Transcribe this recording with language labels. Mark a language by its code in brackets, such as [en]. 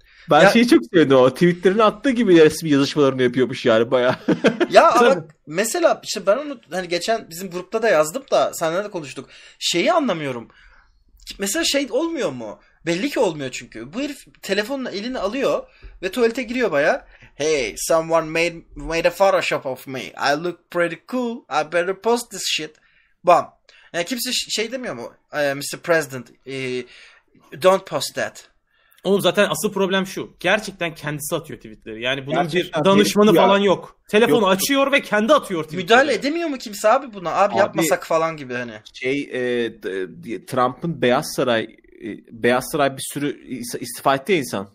[tr] Ben ya, şeyi çok sevdim, o tweetlerini attığı gibi resmi yazışmalarını yapıyormuş yani bayağı. Ya ama mesela işte ben onu hani geçen bizim grupta da yazdım da seninle de konuştuk. Şeyi anlamıyorum. Mesela şey olmuyor mu? Belli ki olmuyor çünkü. Bu herif telefonla elini alıyor ve tuvalete giriyor bayağı. [en] Hey, someone made a Photoshop of me. I look pretty cool. I better post this shit. Bam. [tr] Yani kimse şey demiyor mu? [en] Mr. President, don't post that. [tr] Oğlum zaten asıl problem şu. Gerçekten kendisi atıyor tweetleri. Yani bunun gerçekten bir danışmanı falan yok. Telefonu yok. Açıyor ve kendi atıyor tweetleri. Müdahale edemiyor mu kimse abi buna? Abi yapmasak falan gibi hani. Şey, Trump'ın Beyaz Saray bir sürü istifa etti ya insan.